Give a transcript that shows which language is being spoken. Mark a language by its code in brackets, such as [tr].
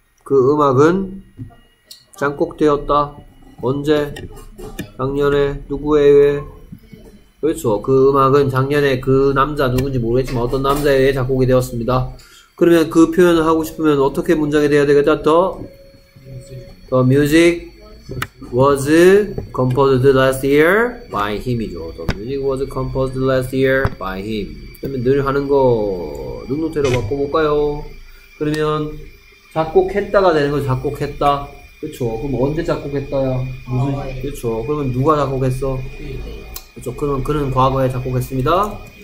[ko] 그 음악은 작곡되었다. 언제? 작년에 누구에 의해? 그렇죠. 그 음악은 작년에 그 남자 누군지 모르겠지만 어떤 남자에 의해 작곡이 되었습니다. 그러면 그 표현을 하고 싶으면 어떻게 문장이 되어야 되겠다? [en] The music was composed last year by him이죠. The music was composed last year by him. [ko] 그러면 늘 하는 거 능동태로 바꿔볼까요? 그러면 작곡했다가 되는 거 작곡했다. 그렇죠. 그럼 언제 작곡했다야? 무슨? 그렇죠. 그러면 누가 작곡했어? 그렇죠. 그러면 그는 과거에 작곡했습니다.